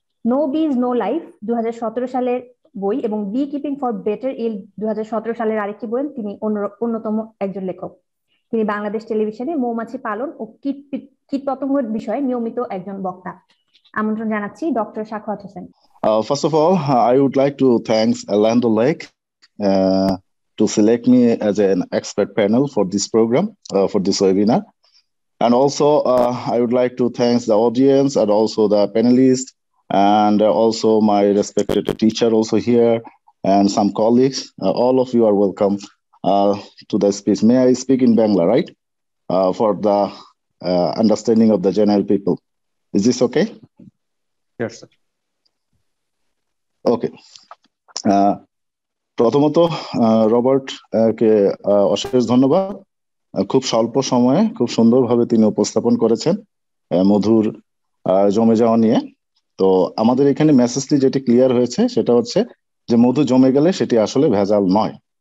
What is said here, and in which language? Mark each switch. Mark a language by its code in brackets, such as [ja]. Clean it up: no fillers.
[bn] No বিজ no life 2017 সালের বই এবং বিকিপিং ফর বেটার ইল 2017 সালের আরেকটি বই তিনি অন্যতম একজন লেখক। তিনি বাংলাদেশ টেলিভিশনে মৌমাছি পালন ও কীটপতঙ্গ বিষয়ে নিয়মিত একজন বক্তা। আমন্ত্রণ জানাচ্ছি doctor Sakhawat Hossain. [en] First of all, I would like to thank Orlando Lake to select me as an expert panel for this program, for this webinar. And also, I would like to thank the audience and also the panelists and also my respected teacher also here and some colleagues. All of you are welcome to the speech. May I speak in Bangla, right? For the understanding of the general people. Is this okay? Yes, sir. [bn] ওকে, প্রথমত Robert কে অশেষ ধন্যবাদ। খুব স্বল্প সময়ে খুব সুন্দরভাবে তিনি উপস্থাপন করেছেন মধুর জমে যাওয়া নিয়ে। তো আমাদের এখানে মেসেজটি যেটি ক্লিয়ার হয়েছে সেটা হচ্ছে যে মধু জমে গেলে সেটি আসলে ভেজাল নয়।